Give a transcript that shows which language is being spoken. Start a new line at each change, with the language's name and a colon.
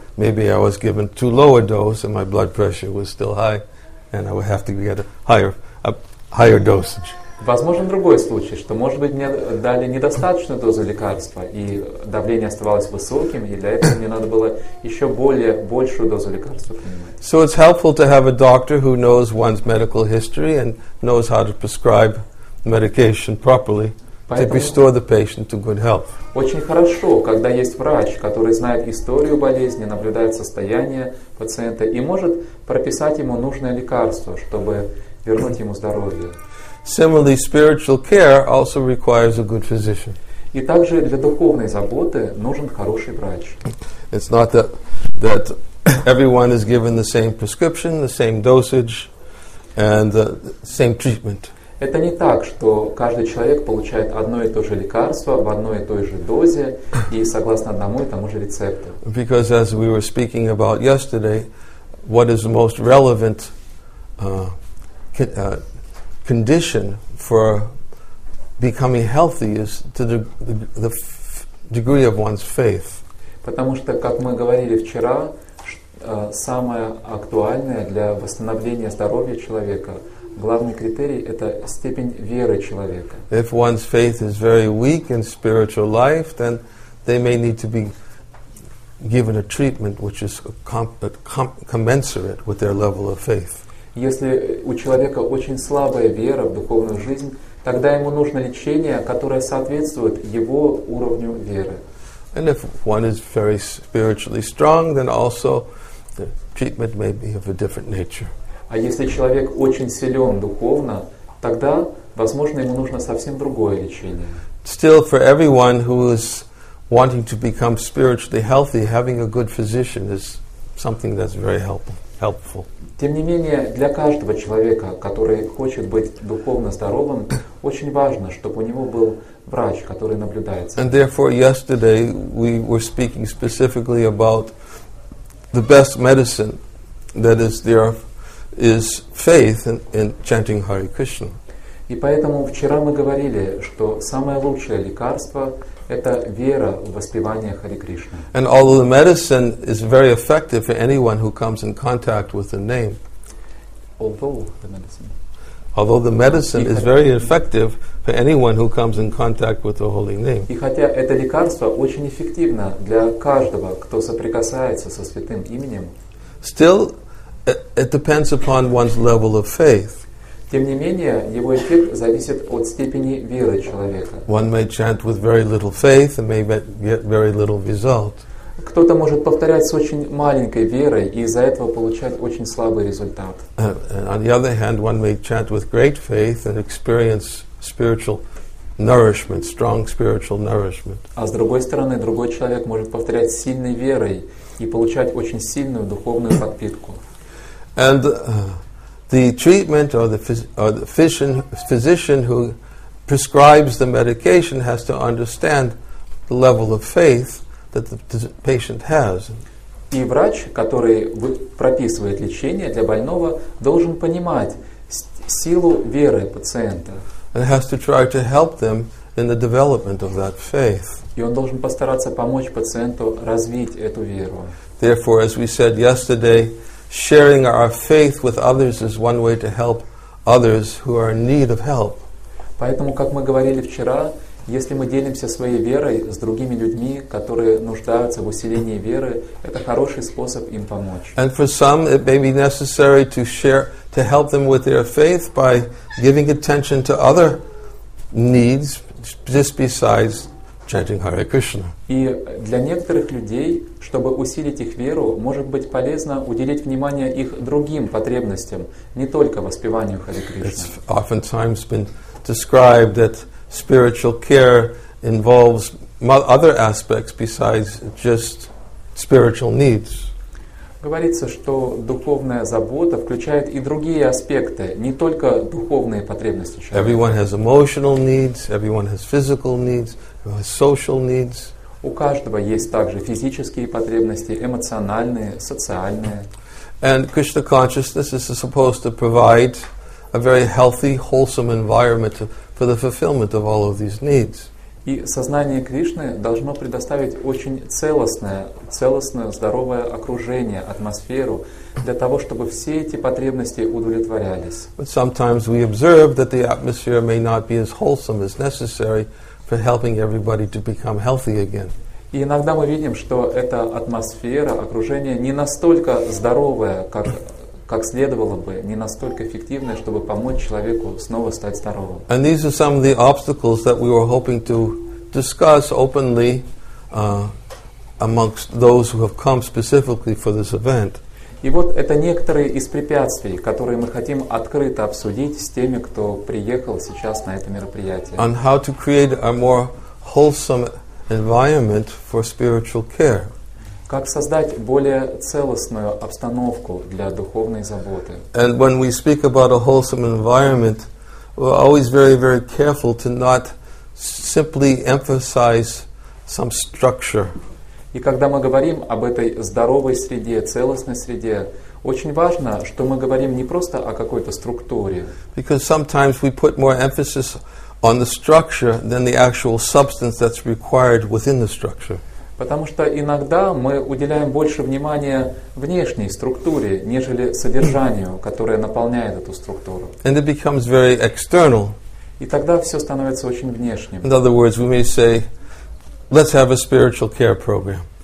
English: Maybe I was given too low a dose and my blood pressure was still high and I would have to get a higher dosage.
Russian: Возможен другой случай, что, может быть, мне дали недостаточную дозу лекарства и давление оставалось высоким, и для этого мне надо было еще более большую дозу лекарства принимать.
English: So it's helpful to have a doctor who knows one's medical history and knows how to prescribe medication properly.
Russian: Поэтому
English: to restore the patient to good health.
Russian: Очень хорошо, когда есть врач, который знает историю болезни, наблюдает состояние пациента и может прописать ему нужное лекарство, чтобы вернуть ему здоровье.
English: Similarly, spiritual care also requires a good physician.
Russian: И также для духовной заботы нужен хороший врач.
English: It's not that everyone is given the same prescription, the same dosage, and the same treatment.
Russian: Это не так, что каждый человек получает одно и то же лекарство в одной и той же дозе и согласно одному и тому же рецепту.
English: Because as we were speaking about yesterday, what is the most relevant condition for becoming healthy is to the degree of one's faith.
Russian: Потому что, как мы говорили вчера, самое актуальное для восстановления здоровья человека – главный критерий – это степень веры человека.
English: If one's faith is very weak in spiritual life, then they may need to be given a treatment which is commensurate with their level of faith.
Russian: Если у человека очень слабая вера в духовную жизнь, тогда ему нужно лечение, которое соответствует его уровню веры.
English: And if one is very spiritually strong, then also the treatment may be of a different nature.
Russian: А если человек очень силен духовно, тогда, возможно, ему нужно совсем другое лечение.
English: Still, for everyone who is wanting to become spiritually healthy, having a good physician is something that's very helpful.
Russian: Тем не менее, для каждого человека, который хочет быть духовно здоровым, очень важно, чтобы у него был врач, который наблюдает.
English: And therefore, yesterday we were speaking specifically about the best medicine that is there. Is faith in chanting Hare Krishna.
Russian: И поэтому вчера мы говорили, что самое лучшее лекарство – это вера в воспевание Хари Кришны.
English: And although the medicine is very effective for anyone who comes in contact with the name, although the medicine is very effective for anyone who comes in contact with the holy name.
Russian: И хотя это лекарство очень эффективно для каждого, кто соприкасается со святым именем,
English: still it depends upon one's level of faith.
Russian: Тем не менее, его эффект зависит от степени веры человека.
English: One may chant with very little faith and may get very little result.
Russian: Кто-то может повторять с очень маленькой верой и из-за этого получать очень слабый результат.
English: On the other hand, one may chant with great faith and experience spiritual nourishment, strong spiritual nourishment.
Russian: А с другой стороны, другой человек может повторять с сильной верой и получать очень сильную духовную подпитку.
English: And the treatment or the physician who prescribes the medication has to understand the level of faith that the patient has.
Russian: И врач, который прописывает лечение для больного, должен понимать силу веры пациента.
English: And has to try to help them in the development of that faith.
Russian: И он должен постараться помочь пациенту развить эту веру.
English: Therefore, as we said yesterday, sharing our faith with others is one way to help others who are in need of help.
Russian: Поэтому, как мы говорили вчера, если мы делимся своей верой с другими людьми, которые нуждаются в усилении веры, это хороший способ им помочь.
English: And for some, it may be necessary to share, to help them with their faith by giving attention to other needs just besides chanting Hare Krishna.
Russian: И для некоторых людей, чтобы усилить их веру, может быть полезно уделить внимание их другим потребностям, не только воспеванию Hare Krishna.
English: It's oftentimes been described that spiritual care involves other aspects besides just spiritual needs.
Russian: Говорится, что духовная забота включает и другие аспекты, не только духовные потребности человека.
English: Everyone has emotional needs, everyone has physical needs, everyone has social needs.
Russian: У каждого есть также физические потребности, эмоциональные, социальные.
English: And Krishna consciousness is supposed to provide a very healthy, wholesome environment for the fulfillment of all of these needs.
Russian: И сознание Кришны должно предоставить очень целостное, здоровое окружение, атмосферу для того, чтобы все эти потребности удовлетворялись.
English: But sometimes we observe that the atmosphere may not be as wholesome as necessary for helping everybody to become healthy again.
Russian: И иногда мы видим, что эта атмосфера, окружение не настолько здоровое, как следовало бы, не настолько эффективное, чтобы помочь человеку снова стать здоровым.
English: And these are some of the obstacles that we were hoping to discuss openly amongst those who have come specifically for this event.
Russian: И вот это некоторые из препятствий, которые мы хотим открыто обсудить с теми, кто приехал сейчас на это мероприятие.
English: On how to create a more wholesome environment for spiritual care.
Russian: Как создать более целостную обстановку для духовной заботы.
English: And when we speak about a wholesome environment, we're always very, very careful to not simply emphasize some structure.
Russian: И когда мы говорим об этой здоровой среде, целостной среде, очень важно, что мы говорим не просто о какой-то структуре.
English: Because sometimes we put more emphasis on the structure than the actual substance that's required within the structure.
Russian: Потому что иногда мы уделяем больше внимания внешней структуре, нежели содержанию, которое наполняет эту структуру.
English: And it becomes very external.
Russian: И тогда все становится очень внешним.
English: In other words, we may say, let's have a spiritual care program.